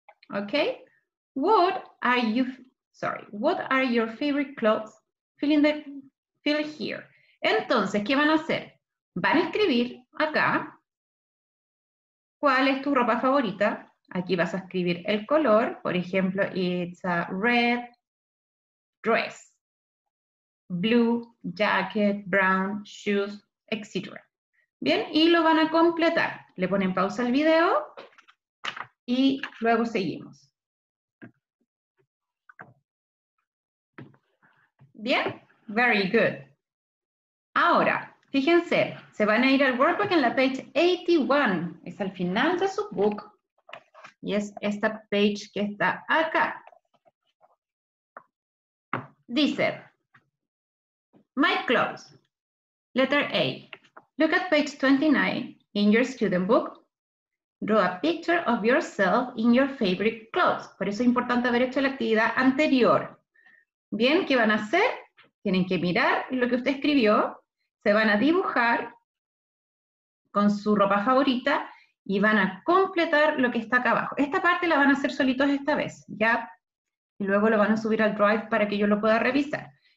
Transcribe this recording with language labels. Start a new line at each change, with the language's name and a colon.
English: Ok, what are you, sorry, what are your favorite clothes? Fill in the, fill here.
Spanish: Entonces, ¿qué van a hacer? Van a escribir acá, ¿cuál es tu ropa favorita? Aquí vas a escribir el color, por ejemplo,
English: it's a red dress, blue jacket, brown shoes, etc.
Spanish: Bien, y lo van a completar. Le ponen pausa al video y luego seguimos. Bien,
English: very good.
Spanish: Ahora, fíjense, se van a ir al workbook en la page 81. Es al final de su book. Y es esta page que está acá.
English: Dice, my clothes, letter A. Look at page 29 in your student book. Draw a picture of yourself in your favorite clothes.
Spanish: Por eso es importante haber hecho la actividad anterior. Bien, ¿qué van a hacer? Tienen que mirar lo que usted escribió. Se van a dibujar con su ropa favorita y van a completar lo que está acá abajo. Esta parte la van a hacer solitos esta vez, ¿ya? Y luego lo van a subir al Drive para que yo lo pueda revisar.